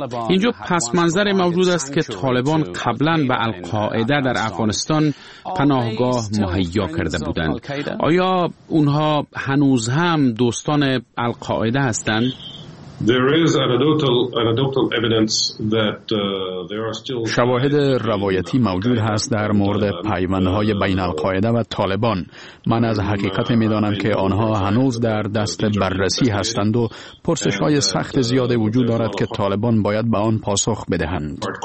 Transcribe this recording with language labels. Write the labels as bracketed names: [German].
[Persian] اینجا پس منظر موجود است که طالبان قبلاً به القاعده در افغانستان پناهگاه مهیا کرده بودند. آیا اونها هنوز هم دوستان القاعده هستند؟ [English] There is anecdotal evidence that there are still [Persian] شواهد روایتی موجود هست در مورد پیوندهای بین القاعده و طالبان. من از حقیقت میدانم که آنها هنوز در دست بررسی هستند و پرسش‌های سخت زیاد وجود دارد که طالبان باید به آن پاسخ بدهند.